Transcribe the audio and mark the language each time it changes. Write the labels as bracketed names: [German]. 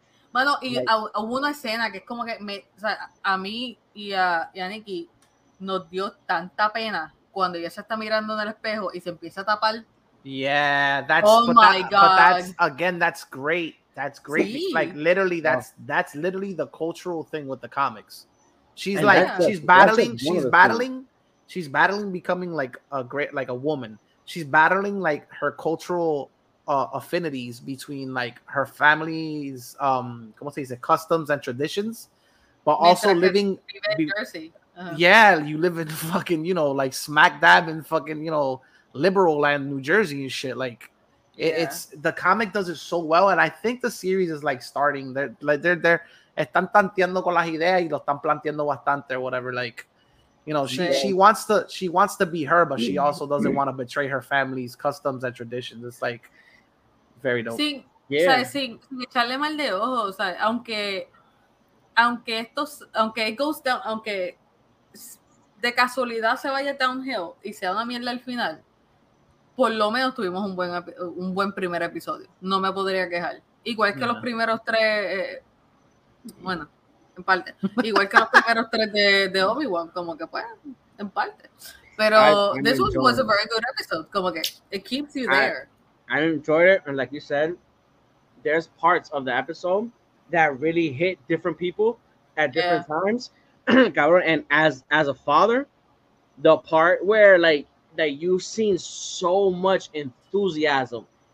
[Spanish] Bueno, y hubo una escena que es como que a mí y a Nikki nos dio tanta pena cuando ella se está mirando en el espejo y se empieza a tapar. [English] Yeah, that's God. But that's great. That's great. See? Like literally, that's literally the cultural thing with the comics. She's battling becoming like a great, like a woman. She's battling like her cultural affinities between like her family's customs and traditions, but also living in Jersey. You live in fucking, you know, like smack dab in fucking, you know, liberal land, New Jersey and shit. Like, it's the comic does it so well, and I think the series is like starting. They're [Spanish] están tanteando con las ideas y lo están planteando bastante [English] or whatever. Like, you know, she wants to be her, but she also doesn't want to betray her family's customs and traditions. It's like very dope. [Spanish] Echarle mal de ojo, o sea, aunque [English] it goes down, [Spanish] aunque de casualidad se vaya downhill y sea una mierda al final. Por lo menos tuvimos un buen primer episodio. No me podría quejar. Igual que los primeros tres, bueno, en parte. Igual que los primeros tres de Obi-Wan, como que pues, en parte. Pero [English] this one was a very good episode. [Spanish] Como que [English] it keeps you there. I enjoyed it, and like you said, there's parts of the episode that really hit different people at different times. Cabrón, and as a father, the part where like that you've seen so much enthusiasm